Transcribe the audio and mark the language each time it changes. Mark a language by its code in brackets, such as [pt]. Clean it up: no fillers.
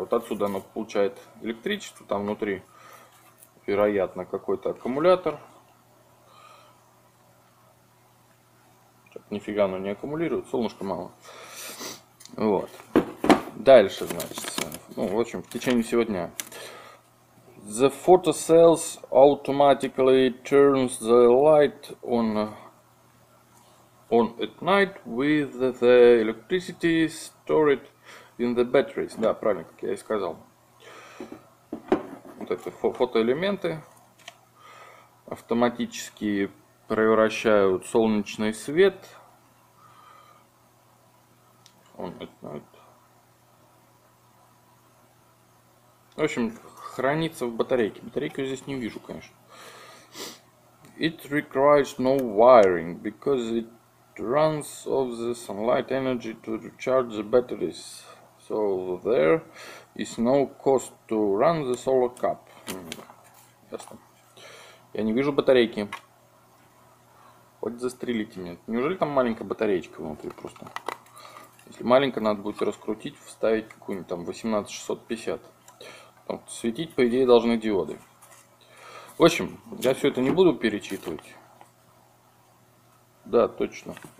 [ru] Вот отсюда оно получает электричество, там внутри, вероятно, какой-то аккумулятор. Нифига оно не аккумулирует, солнышко мало. Вот. Дальше, значит, ну, в общем, в течение всего дня. [en] The photocells automatically turns the light on at night with the electricity stored in the batteries. [ru] Да, правильно, как я и сказал. Вот это фотоэлементы автоматически превращают солнечный свет. В общем, хранится в батарейке. Батарейку я здесь не вижу, конечно. [en] It requires no wiring because it runs off the sunlight energy to recharge the batteries. So there is no cost to run the solar cup. [ru] Ясно. Я не вижу батарейки. Хоть застрелите меня. Неужели там маленькая батареечка внутри просто? Если маленькая, надо будет раскрутить, вставить какую-нибудь там 18650. Там светить, по идее, должны диоды. В общем, я все это не буду перечитывать. Да, точно.